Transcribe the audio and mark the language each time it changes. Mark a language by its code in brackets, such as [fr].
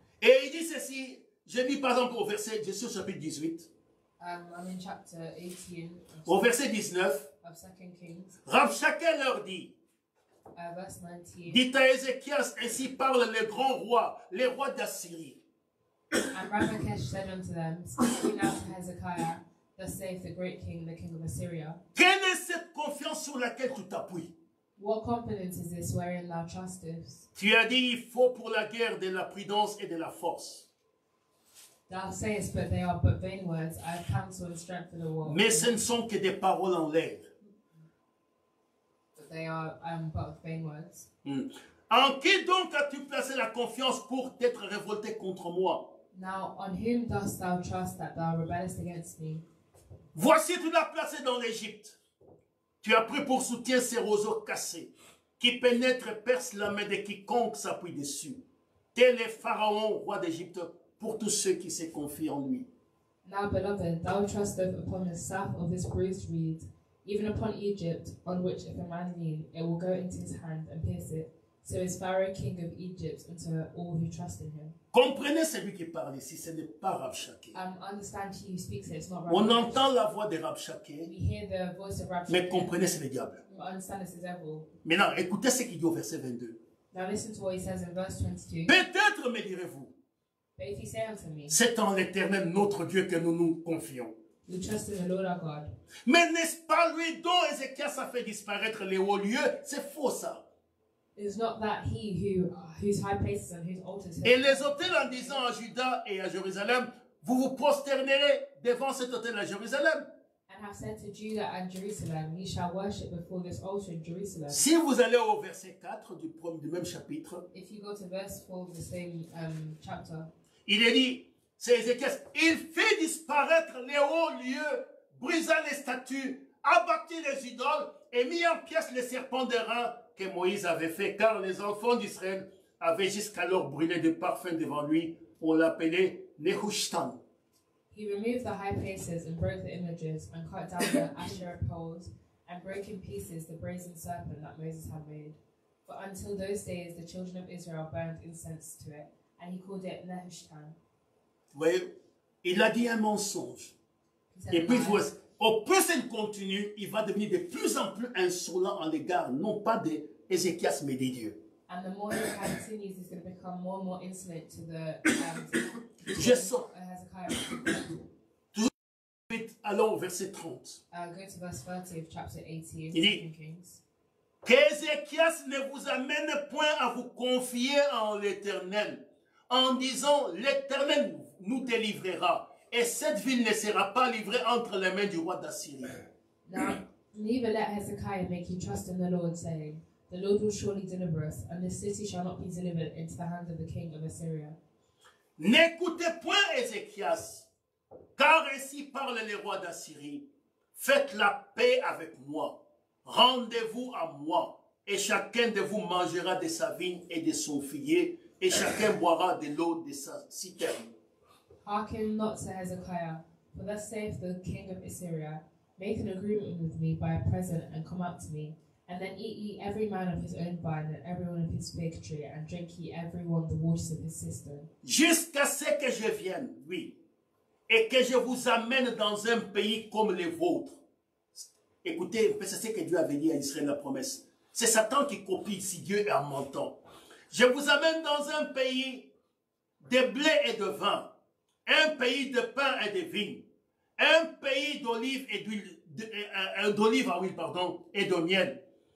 [fr] Et il dit ceci, je lis par exemple au verset, je suis au chapitre 18. [en] I'm in chapter 18. [fr] Au verset 19. [en] Of 2 Kings. [fr] Rabshakeh leur dit, [en] Verse 19. [fr] Dit à Ézéchias, ainsi parle le grand roi, le roi d'Assyrie. [en] And Rabbi Kesh said unto them, speaking out to Hezekiah, thus saith the great king, the king of Assyria. [fr] Quelle est cette confiance sur laquelle tu t'appuies? [en] What confidence is this wherein thou trustest? [fr] Tu as dit, il faut pour la guerre de la prudence et de la force. [en] Thou sayest, but they are but vain words. I have counsel and strength for the war. [fr] Mais ce ne sont que des paroles en l'air. [en] They are but vain words. [fr] En qui donc as-tu placé la confiance pour t'être révolté contre moi? [en] Now, on whom dost thou trust that thou rebellest against me? [fr] Voici, tu l'as placé dans l'Égypte. Tu as pris pour soutien ces roseaux cassés qui pénètrent et percent la main de quiconque s'appuie dessus. Tel est Pharaon, roi d'Égypte, pour tous ceux qui se confient en lui. [en] Now, beloved, thou trustest upon the staff of this bruised reed, even upon Egypt, on which if a man lean, it will go into his hand and pierce it. So is Pharaoh king of Egypt unto all who trust in him. [fr] Comprenez celui qui parle ici, ce n'est pas Rabshakeh. [en] Understand he who speaks it, it's not [fr] Rabshakeh. On entend la voix de Rabshakeh. [en] We hear the voice of Rabshakeh. [fr] Mais comprenez, c'est le diable. [en] Understand it's the devil. [fr] Maintenant, écoutez ce qu'il dit au verset 22. [en] Now listen to what he says in verse 22. [fr] Peut-être me direz-vous. [en] But if you say unto me. [fr] C'est en l'Éternel notre Dieu que nous nous confions. [en] We trust in the Lord our God. [fr] Mais n'est-ce pas lui dont Ézéchias a fait disparaître les hauts lieux? C'est faux ça. [en] It's not that he who whose high places and whose altars. [fr] Et les autels en disant à Juda et à Jérusalem, vous vous prosternerez devant cet autel à Jérusalem. [en] And have said to Judah and Jerusalem, ye shall worship before this altar in Jerusalem. [fr] Si vous allez au verset 4 du même chapitre. [en] If you go to verse 4 of the same chapter. [fr] Il est dit. C'est Ézéchias. Il fit disparaître les hauts lieux, brisa les statues, abattit les idoles et mit en pièces les serpents de reins que Moïse avait fait, car les enfants d'Israël avaient jusqu'alors brûlé de parfums devant lui. On l'appelait Nehushtan. [en] He removed the high places and broke the images and cut down the Asherah poles and broke in pieces the brazen serpent that Moses had made. But until those days, the children of Israel burned incense to it and he called it Nehushtan. [fr] Voyez, il a dit un mensonge. Et puis, voyez, au plus il continue, il va devenir de plus en plus insolent en l'égard, non pas d'Ézéchias, mais des dieux. [en] And the more he continues, he's going to become more and more insolent to the [fr] Hezekiah. Allons au verset 30. [en] Go to verse 30 of chapter 18. [fr] Il dit, qu'Ézéchias ne vous amène point à vous confier en l'Éternel, en disant, l'Éternel nous délivrera, et cette ville ne sera pas livrée entre les mains du roi d'Assyrie. [en] Now, neither let Hezekiah make you trust in the Lord, saying, the Lord will surely deliver us, and the city shall not be delivered into the hand of the king of Assyria. [fr] N'écoutez point Ézéchias, car ainsi parle le roi d'Assyrie. Faites la paix avec moi. Rendez-vous à moi, et chacun de vous mangera de sa vigne et de son figuier, et chacun boira de l'eau de sa citerne. [en] Hearken not to Hezekiah, for thus saith the king of Assyria, make an agreement with me by a present, and come up to me, and then eat ye every man of his own vine, and every one of his fig tree, and drink ye every one the waters of his cistern. [fr] Jusqu'à ce que je vienne, oui, et que je vous amène dans un pays comme le vôtre. Écoutez, c'est ce que Dieu avait dit à Israël, la promesse. C'est Satan qui copie ici, Dieu est en mentant. Je vous amène dans un pays de blé et de vin, un pays de pain et de vigne, un pays d'olive et d'huile, d'olive, ah oui, pardon, et de miel.